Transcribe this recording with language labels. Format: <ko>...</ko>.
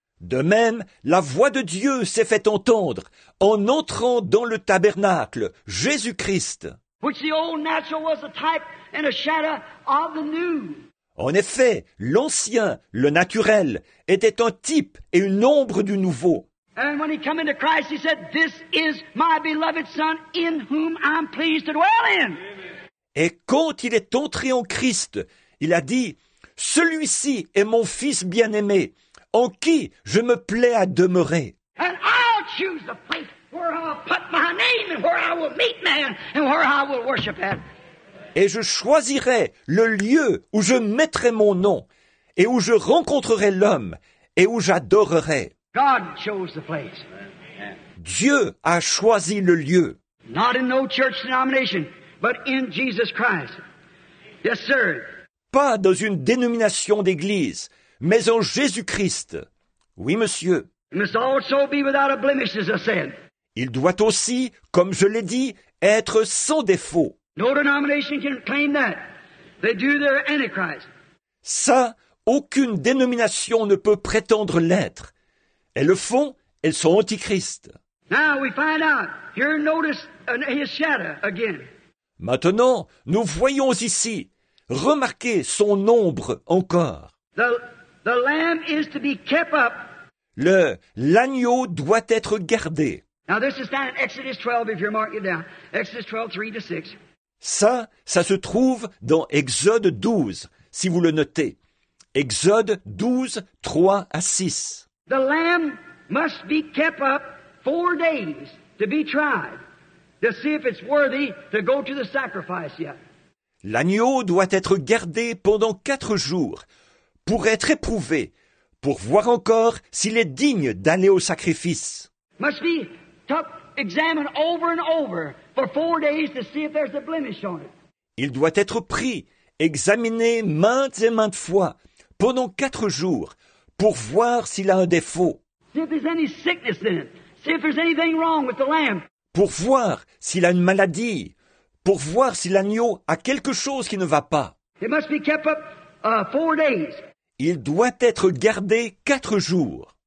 <fr>De même, la voix de Dieu s'est fait entendre en entrant dans le tabernacle, Jésus-Christ.</fr> <en>Which the old natural was a type and a shadow of the new.</en> <fr>En effet, l'ancien, le naturel, était un type et une ombre du nouveau.</fr> <en>And when he came into Christ, he said, "This is my beloved Son, in whom I'm pleased to dwell in." Amen.</en> <fr>Et quand il est entré en Christ, il a dit, "Celui-ci est mon Fils bien-aimé, en qui je me plais à demeurer."</fr> <en>And I'll choose the place where I'll put my name and where I will meet man and where I will worship at.</en> <fr>Et je choisirai le lieu où je mettrai mon nom et où je rencontrerai l'homme et où j'adorerai.</fr> <en>God chose the place.</en> <fr>Dieu a choisi le lieu.</fr> <en>Not in no church denomination, but in Jesus Christ. Yes, sir.</en> <fr>Pas dans une dénomination d'église, mais en Jésus-Christ. Oui, monsieur.</fr> <en>It must also be without a blemish, as I said.</en> <fr>Il doit aussi, comme je l'ai dit, être sans défaut.</fr> <en>No denomination can claim that. They do their antichrist.</en> <fr>Ça, aucune dénomination ne peut prétendre l'être. Elles le font, elles sont antichrist.</fr> <en>Now we find out. Here, notice his shadow again.</en> <fr>Maintenant, nous voyons ici, remarquez son ombre encore.</fr> <en>The lamb is to be kept up.</en> <fr>L'agneau doit être gardé.</fr> <en>Now this is down in Exodus 12, if you're marking it down. Exodus 12, 3 to 6.</en> <fr>Ça se trouve dans Exode 12, si vous le notez. Exode 12, 3 à 6.</fr> <en>The lamb must be kept up 4 days to be tried to see if it's worthy to go to the sacrifice yet.</en> <fr>L'agneau doit être gardé pendant 4 jours pour être éprouvé, pour voir encore s'il est digne d'aller au sacrifice.</fr> <en>Must be examined over and over. For 4 days to see if there's a blemish on it.</en> <fr>Il doit être pris, examiné maintes et maintes fois pendant 4 jours pour voir s'il a un défaut.</fr> <en>See if there's any sickness then. See if there's anything wrong with the lamb.</en> <fr>Pour voir s'il a une maladie, pour voir si l'agneau a quelque chose qui ne va pas.</fr> <en>It must be kept up 4 days.</en> <fr>Il doit être gardé 4 jours.</fr>